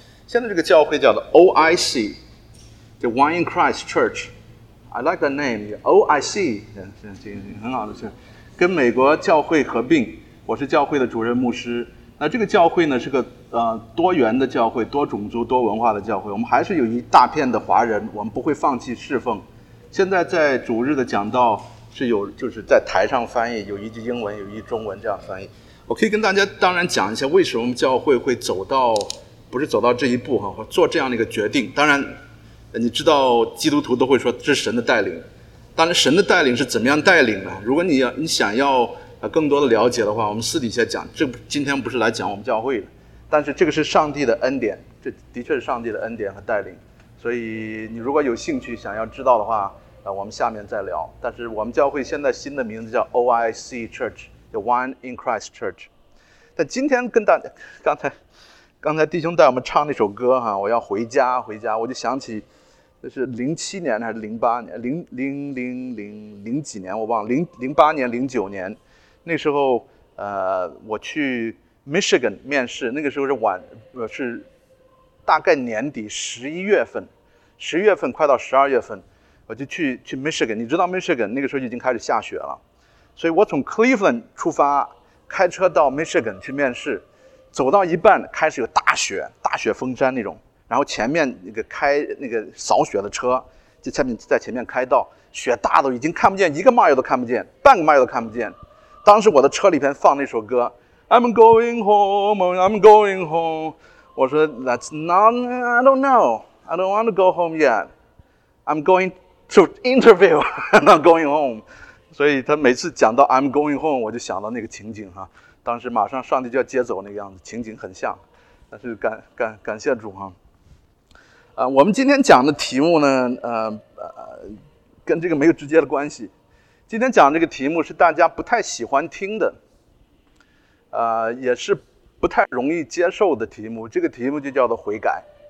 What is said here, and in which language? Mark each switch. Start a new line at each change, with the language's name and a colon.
Chinese: 现在这个教会叫做 OIC， The One in Christ Church。
English: I like the name OIC，
Chinese: 很好的事，跟美国教会合并。我是教会的主任牧师。那这个教会呢，是个多元的教会，多种族、多文化的教会。我们还是有一大片的华人，我们不会放弃侍奉。现在在主日的讲道是有，就是在台上翻译，有一句英文，有一句中文这样翻译。我可以跟大家当然讲一下为什么教会会走到，不是走到这一步哈，做这样的一个决定。当然，你知道基督徒都会说这是神的带领，当然神的带领是怎么样带领呢？如果你想要更多的了解的话，我们私底下讲。这今天不是来讲我们教会的，但是这个是上帝的恩典，这的确是上帝的恩典和带领。所以你如果有兴趣想要知道的话，我们下面再聊。但是我们教会现在新的名字叫 OIC Church， The One in Christ Church。但今天跟大家，刚才弟兄带我们唱那首歌哈，我要回家回家，我就想起那是07年还是08年，零几年我忘了，08年09年，那时候我去 Michigan 面试，那个时候是大概年底十一月份快到十二月份，我就去 Michigan。你知道 Michigan 那个时候已经开始下雪了，所以我从 Cleveland 出发开车到 Michigan 去面试，走到一半开始有大雪封山那种，然后前面那个开那个扫雪的车就在前面开道，雪大到已经看不见一个 mile 都看不见，半个 mile 都看不见。当时我的车里边放那首歌
English: I'm going home, I'm going home，
Chinese: 我说
English: I don't know, I don't want to go home yet, I'm going to interview, I'm not going home。
Chinese: 所以他每次讲到
English: I'm going home，
Chinese: 我就想到那个情景哈，当时马上上帝就要接走那个样子，情景很像。但是感谢主哈。我们今天讲的题目呢，跟这个没有直接的关系。今天讲这个题目是大家不太喜欢听的，也是不太容易接受的题目，这个题目就叫做悔改。